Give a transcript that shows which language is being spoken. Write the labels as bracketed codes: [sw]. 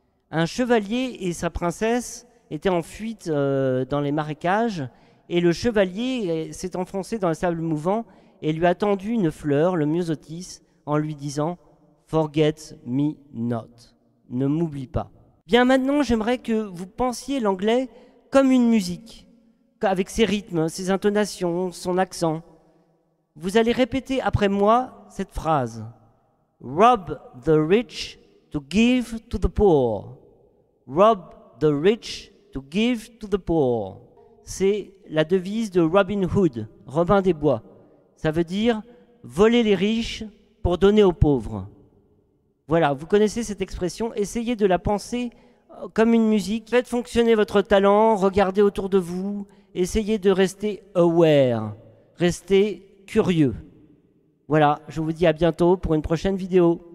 [fr] Un chevalier et sa princesse étaient en fuite dans les marécages et le chevalier s'est enfoncé dans le sable mouvant et lui a tendu une fleur, le myosotis, en lui disant [en] forget me not. [fr] Ne m'oublie pas. Bien maintenant, j'aimerais que vous pensiez l'anglais comme une musique, avec ses rythmes, ses intonations, son accent. Vous allez répéter après moi cette phrase. [en] Rob the rich to give to the poor. Rob the rich to give to the poor. [fr] C'est la devise de Robin Hood, Robin des Bois. Ça veut dire voler les riches pour donner aux pauvres. Voilà, vous connaissez cette expression, essayez de la penser comme une musique. Faites fonctionner votre talent, regardez autour de vous, essayez de rester aware, restez curieux. Voilà, je vous dis à bientôt pour une prochaine vidéo.